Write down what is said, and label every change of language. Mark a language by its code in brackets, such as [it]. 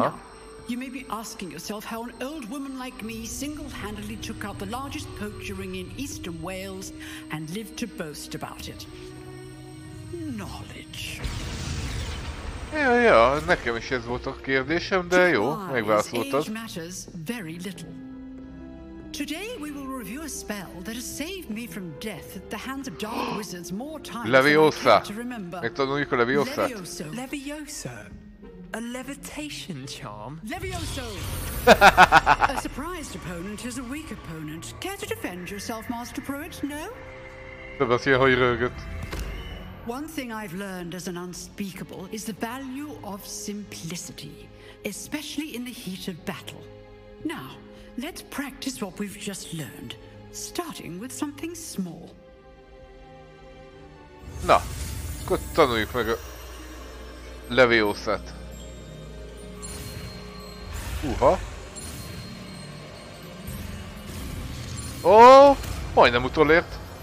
[en] Now, you may be asking yourself how an old woman like me single-handedly took out the largest poacher ring in eastern Wales and lived to boast about it. Knowledge. [hu] Ja, ja, nekem is ez volt a kérdésem, de jó, megválaszoltad. [en] Age matters very little. Today we will review a spell that has saved me from death at the hands of dark wizards more times than I can remember. [hu] Megtanuljuk a Leviosát. [en] Levioso. A levitation charm. Levioso! A surprised opponent is a weak opponent. Care to defend yourself, Master Pruitt? No? [hu] Sebastian, hogy rögött. [en] One thing I've learned as an unspeakable is the value of simplicity, especially in the heat of battle. Now, let's practice what we've just learned, starting with something small. [hu] Na, akkor tanuljuk meg a Leviosát. Uha. Ó, majdnem utolért.